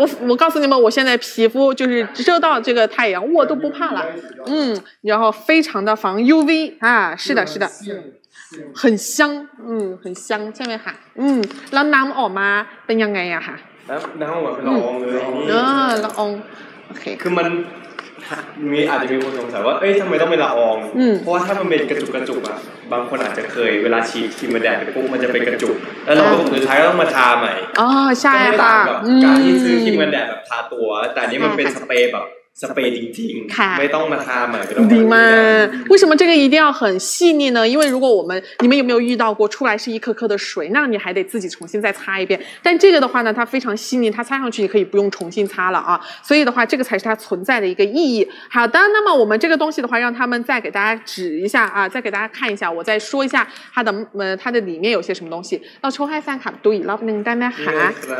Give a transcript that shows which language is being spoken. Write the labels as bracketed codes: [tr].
[zh] 我告诉你们，我现在皮肤就是遮到这个太阳，我都不怕了。然后非常的防 UV 啊，是的，是的，很香，很香。下面哈， [th] แล้วน้ำออกมาเป็นยังไงอะค่ะ？ น้ำออกมาเป็นละอองเลย。 ละออง。 คือมัน มีอาจจะมีคนสงสัยว่าเอ้ยทำไมต้องเป็นละอองเพราะว่าถ้ามันเป็นกระจุกกระจุกอะบางคนอาจจะเคยเวลาฉีดครีมแดดไปปุ๊บมันจะเป็นกระจุกแล้วเราก็ถือท้ายก็ต้องมาทาใหม่ อ๋อใช่ค่ะ การที่ซื้อครีมแดดแบบทาตัวแต่นี้มันเป็นสเปรย์แบบสเปรย์จริงๆไม่ต้องมาทาใหม่ [zh] ดีมาก为什么这个一定要很细腻呢因为如果我们你们有没有遇到过出来是一颗颗的水那你还得自己重新再擦一遍但这个的话呢它非常细腻它擦上去你可以不用重新擦了啊所以的话这个才是它存在的一个意义好的那么我们这个东西的话让他们再给大家指一下啊再给大家看一下我再说一下它的它的里面有些什么东西到抽嗨饭卡都以 love 您单单喊